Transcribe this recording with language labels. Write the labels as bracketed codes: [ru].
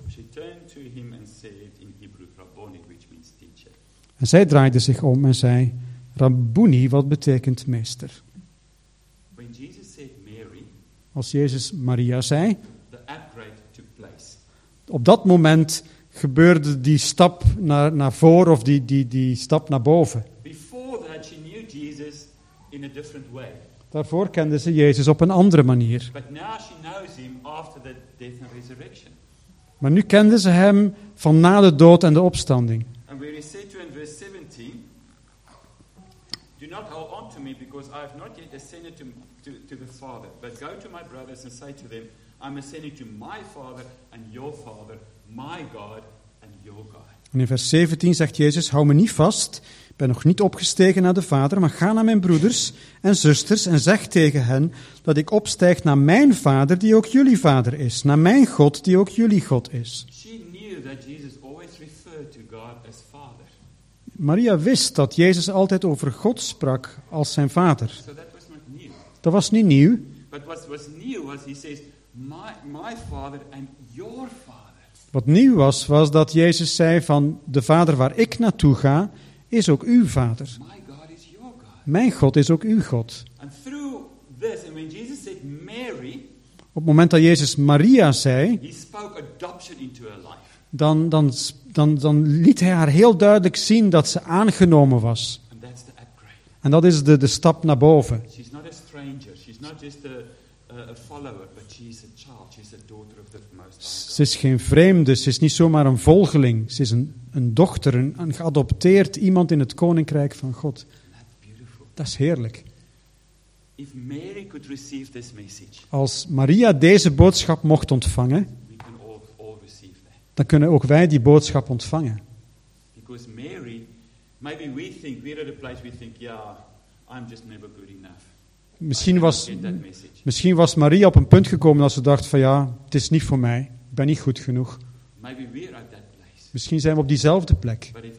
[en] She turned to him and said in Hebrew, Rabboni, which means teacher. [nl] En zij draaide zich om en zei, Rabboni, wat betekent meester? [en] When Jesus said Mary, [nl] als Jezus Maria zei, [en] the upgrade took place. [nl] Op dat moment gebeurde die stap naar voren of die stap naar boven. [en] Before that she knew Jesus in a different way. [nl] Daarvoor kende ze Jezus op een andere manier. [en] But now she knows him after the death and resurrection. [nl] Maar nu kenden ze hem van na de dood en de opstanding. [en] And where he said to in verse 17, do not hold on to me because I have not yet ascended to the Father, but go to my brothers and say to them, I'm ascending to my Father and your Father, my God and your God. [nl] En in vers 17 zegt Jezus, hou me niet vast, ik ben nog niet opgestegen naar de Vader, maar ga naar mijn broeders en zusters en zeg tegen hen dat ik opstijg naar mijn Vader die ook jullie Vader is, naar mijn God die ook jullie God is. [en] She knew that Jesus always referred to God as Father. [nl] Maria wist dat Jezus altijd over God sprak als zijn Vader. [en] So that was not new. [nl] Dat was niet nieuw. [en] But what was new was he says, my Father and your Father. [nl] Wat nieuw was, was dat Jezus zei van, de Vader waar ik naartoe ga, is ook uw Vader. [en] My God is your God. [nl] Mijn God is ook uw God. [en] And through this, and when Jesus said Mary, [nl] op het moment dat Jezus Maria zei, [en] he spoke adoption into her life. [nl] Dan liet hij haar heel duidelijk zien dat ze aangenomen was. [en] And that's the upgrade. [nl] En dat is de stap naar boven. [en] She's not a stranger, she's not just a follower, but she's a child, she's a daughter of the Most High. [nl] Ze is geen vreemde, ze is niet zomaar een volgeling. Ze is een dochter, een geadopteerd iemand in het koninkrijk van God. Dat is heerlijk. [en] If Mary could receive this message, [nl] als Maria deze boodschap mocht ontvangen, [en] we can all receive that. [nl] Dan kunnen ook wij die boodschap ontvangen. [en] Because Mary, maybe we think, we're at a place we think, yeah, I'm just never good enough. [nl] Misschien was Maria op een punt gekomen dat ze dacht van ja, het is niet voor mij. Ik ben niet goed genoeg. [en] Maybe we're at that place. [nl] Misschien zijn we op diezelfde plek.